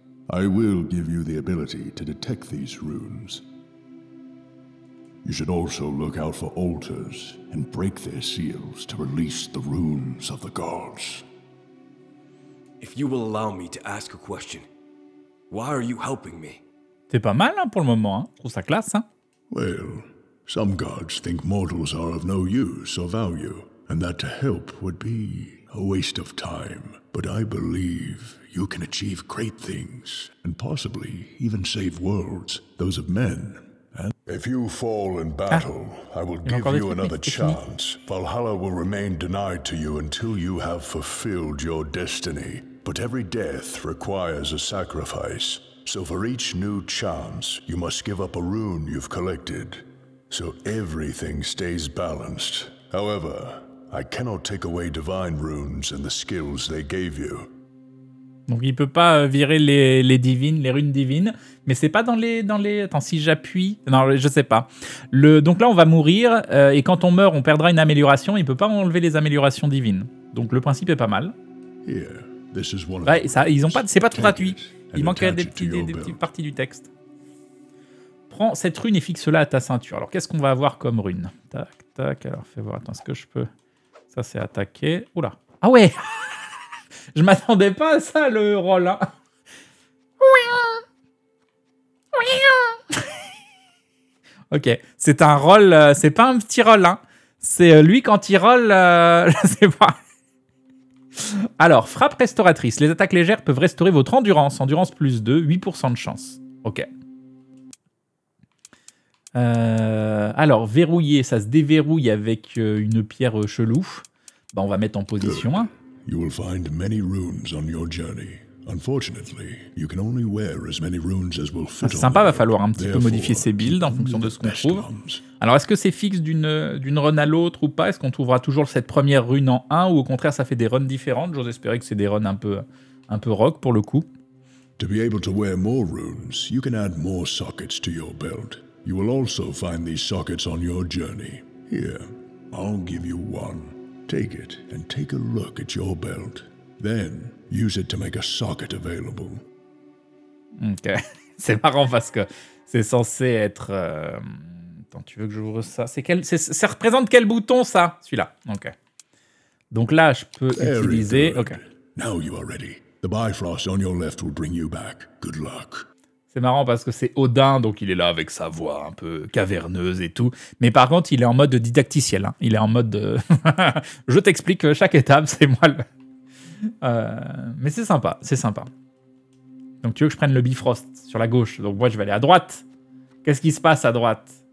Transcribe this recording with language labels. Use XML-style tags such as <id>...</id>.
<en>I will give you the ability to detect these runes. You should also look out for altars and break their seals to release the runes of the gods. If you will allow me to ask a question, why are you helping me?</en> <fr>C'est pas mal hein, pour le moment, hein. Je trouve ça classe, hein?</fr> <en>Well, some gods think mortals are of no use or value, and that to help would be a waste of time. But I believe you can achieve great things, and possibly even save worlds, those of men. And if you fall in battle, I will give you another chance. Valhalla will remain denied to you until you have fulfilled your destiny. But every death requires a sacrifice. So for each new chance, you must give up a rune you've collected. So everything stays balanced. However, I cannot take away divine runes and the skills they gave you.</en> <fr>Donc il peut pas virer les divines, les runes divines, mais c'est pas dans les attends, si j'appuie, non, je sais pas. Donc là on va mourir et quand on meurt, on perdra une amélioration, il peut pas enlever les améliorations divines. Donc le principe est pas mal.</fr> <en>Here, this is one of</en> <fr>ouais, ça ils ont pas, c'est pas tout gratuit. Il manque des petites parties du texte. Prends cette rune et fixe-la à ta ceinture. Alors qu'est-ce qu'on va avoir comme rune? Tac tac, alors fais voir, attends, est-ce que je peux. Ça c'est attaqué. Oula. Ah ouais. Je m'attendais pas à ça, le rôle. Hein. Ok, c'est un rôle, c'est pas un petit rôle. Hein. C'est lui quand il rôle, je sais pas. Alors, frappe restauratrice. Les attaques légères peuvent restaurer votre endurance. Endurance plus 2, 8% de chance. Ok. Alors, verrouiller, ça se déverrouille avec une pierre chelou. Bah, on va mettre en position 1.</fr> <en>You will find many runes on your journey. Unfortunately, you can only wear as many runes as will fit.</en> <fr>C'est sympa, va falloir un petit peu modifier ses builds en fonction de ce qu'on trouve. Alors, est-ce que c'est fixe d'une run à l'autre ou pas? Est-ce qu'on trouvera toujours cette première rune en 1 ou au contraire ça fait des runs différentes? J'ose espérer que c'est des runs un peu rock pour le coup.</fr> <en>To be able to wear more runes, you can add more sockets to your belt. You will also find these sockets on your journey. Here, I'll give you one. Take it and take a look at your belt. Then, use it to make a socket available.</en> <fr>Ok, c'est marrant parce que c'est censé être... Attends, tu veux que j'ouvre ça? Ça représente quel bouton, ça? Celui-là, ok. Donc là, je peux utiliser... Ok.</fr> <en>Now you are ready. The Bifrost on your left will bring you back. Good luck.</en> <fr>C'est marrant parce que c'est Odin, donc il est là avec sa voix un peu caverneuse et tout. Mais par contre, il est en mode didacticiel. Hein. Il est en mode... Je t'explique chaque étape, c'est moi le... mais c'est sympa, c'est sympa. Donc tu veux que je prenne le Bifrost sur la gauche. Donc moi, je vais aller à droite. Qu'est-ce qui se passe à droite?</fr>